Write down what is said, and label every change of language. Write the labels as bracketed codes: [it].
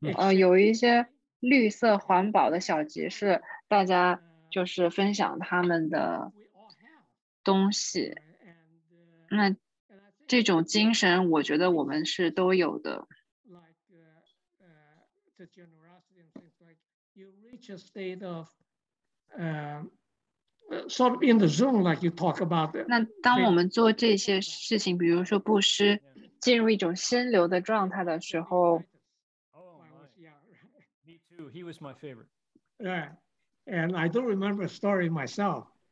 [zh] 有一些绿色环保的小集市，大家就是分享他们的东西。那这种精神，我觉得我们是都有的。Like, [en] you reach a state of, sort of in the zone, like you talk about. [zh] 那当我们做这些事情，比如说布施。进入一种心流的状态的时候, [en] me too. He was my favorite. Yeah, and I do remember a story myself.